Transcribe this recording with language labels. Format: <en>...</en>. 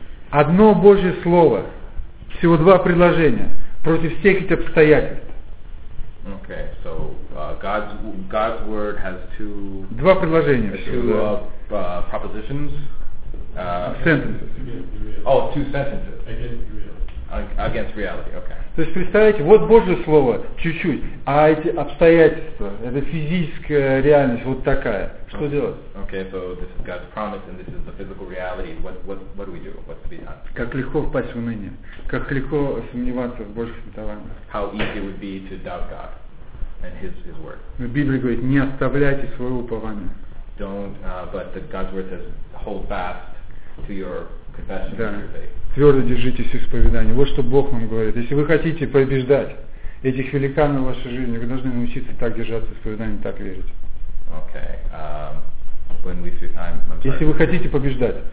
<ru>Одно Божье слово, всего два предложения против всех этих обстоятельств.</ru> <en>Okay, so God's word has two.</en> <ru>Два предложения.</ru> <en>Propositions. Sentences. Oh, two sentences. Against reality. Okay.</en> <ru>То есть представьте, вот Божье слово чуть-чуть, а эти обстоятельства, это физическая реальность вот такая. Что делать?</ru> <en>Okay, so this is God's promise and this is the physical reality. What do we do? What's to be done?</en> <ru>Как легко впасть в уныние, как легко сомневаться в Божьих обетованиях.</ru> <en>How easy it would be to doubt God and His word.</en> <ru>Но Библия говорит, не оставляйте своего упования.</ru> <en>Don't, but the God's word says, hold fast to your confession.</en> <ru>Да. Твердо держитесь исповедания. Вот что Бог нам говорит. Если вы хотите побеждать этих великанов в вашей жизни, вы должны научиться так держаться исповедания, так верить.</ru> <en>Okay. When we see, I'm</en> <ru>если вы хотите побеждать.</ru>